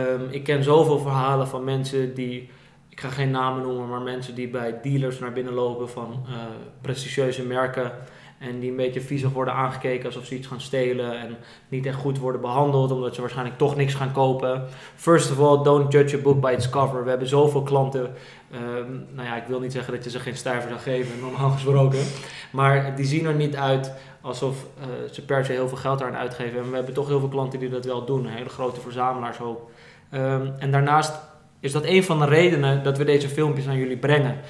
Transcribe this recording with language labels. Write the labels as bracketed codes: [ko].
[nl] Ik ken zoveel verhalen van mensen die, ik ga geen namen noemen, maar mensen die bij dealers naar binnen lopen van prestigieuze merken. En die een beetje viezig worden aangekeken alsof ze iets gaan stelen. En niet echt goed worden behandeld omdat ze waarschijnlijk toch niks gaan kopen. [en] First of all, don't judge a book by its cover. [nl] We hebben zoveel klanten. Ik wil niet zeggen dat je ze geen stijver zou geven. Normaal gesproken. Maar die zien er niet uit alsof ze per se heel veel geld aan uitgeven. En we hebben toch heel veel klanten die dat wel doen. Hele grote verzamelaars ook. En daarnaast is dat een van de redenen dat we deze filmpjes aan jullie brengen.